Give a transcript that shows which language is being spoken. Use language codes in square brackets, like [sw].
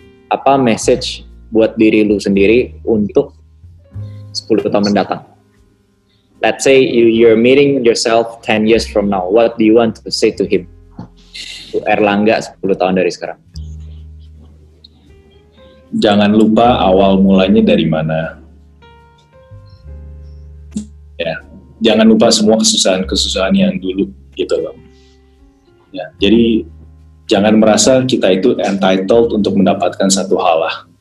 [id] Apa message buat diri lu sendiri untuk 10 tahun mendatang? [en] Let's say you're meeting yourself 10 years from now. What do you want to say to him? [id] To Erlangga 10 tahun dari sekarang. jangan lupa awal mulanya dari mana. Ya, jangan lupa semua kesusahan-kesusahan yang dulu gitu loh. Ya, jadi jangan merasa kita itu entitled untuk mendapatkan satu hal lah.